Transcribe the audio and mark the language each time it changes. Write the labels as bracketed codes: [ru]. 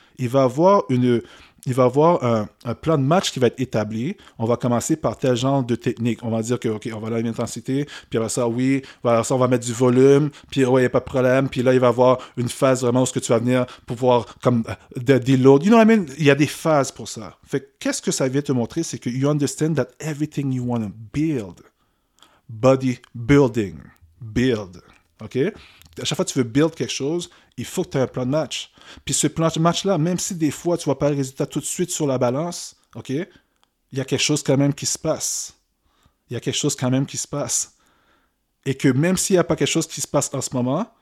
[fr] Il va avoir un plan de match qui va être établi. On va commencer par tel genre de technique. On va dire que, OK, on va aller à une intensité. Puis après ça, oui. Après ça, on va mettre du volume. Puis, ouais, il n'y a pas de problème. Puis là, il va avoir une phase vraiment où ce que tu vas venir pouvoir comme déload. [en] You know what I mean? [fr] Il y a des phases pour ça. Fait qu'est-ce que ça vient te montrer? C'est que [en] you understand that everything you want to build. Body building. Build. OK? [fr] À chaque fois que tu veux build quelque chose, il faut que tu aies un plan de match. Puis ce plan de match-là, même si des fois tu ne vois pas le résultat tout de suite sur la balance, OK, il y a quelque chose quand même qui se passe. Il y a quelque chose quand même qui se passe. Et que même s'il n'y a pas quelque chose qui se passe en ce moment,